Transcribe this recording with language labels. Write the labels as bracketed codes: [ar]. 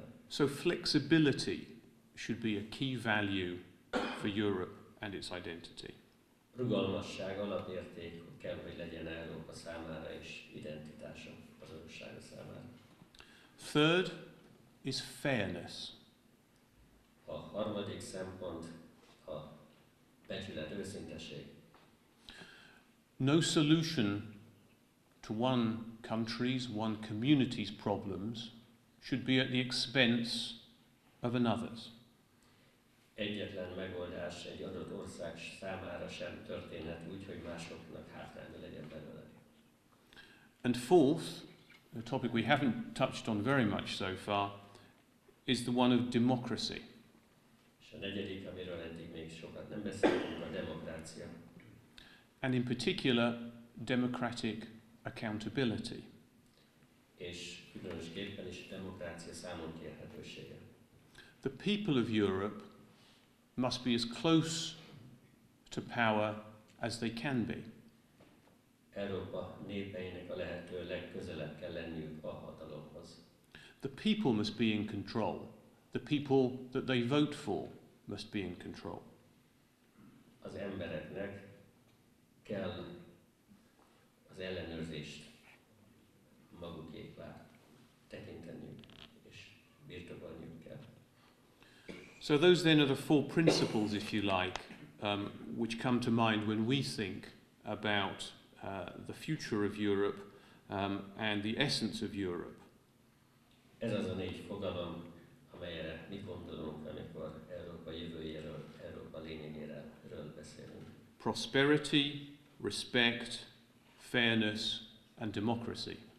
[en] So flexibility should be a key value for Europe and its identity. [hu] Rugalmasság alapérték kell, hogy legyen Európa számára és identitása az országa számára. [en] Third is fairness. [hu] A harmadik szempont a becsület, őszinteség. [en] No solution to one country's, one community's problems should be at the expense of another's. [hu] Egyetlen megoldás egy adott ország számára sem történhet úgy, hogy másoknak hátránya legyen belőle. [en] And fourth, a topic we haven't touched on very much so far, is the one of democracy. [hu] És a negyedik, amiről eddig még sokat nem beszéltünk, a demokrácia. [en] And in particular, democratic accountability. [hu] És különösképpen is a demokrácia számon kérhetősége. [en] The people of Europe must be as close to power as they can be. [hu] Európa népeinek a lehető legközelebb kell lenniük a hatalomhoz. [en] The people must be in control. The people that they vote for must be in control. [hu] Az embereknek kell az ellenőrzést magukévá tekinteniük és birtokolniuk kell. [en] So those then are the four principles, if you like, which come to mind when we think about the future of Europe and the essence of Europe. [hu] Ez az a négy fogalom, amelyre mi gondolunk, amikor Európa jövőjéről, Európa lényegéről beszélünk. [en] Prosperity, respect, fairness and democracy.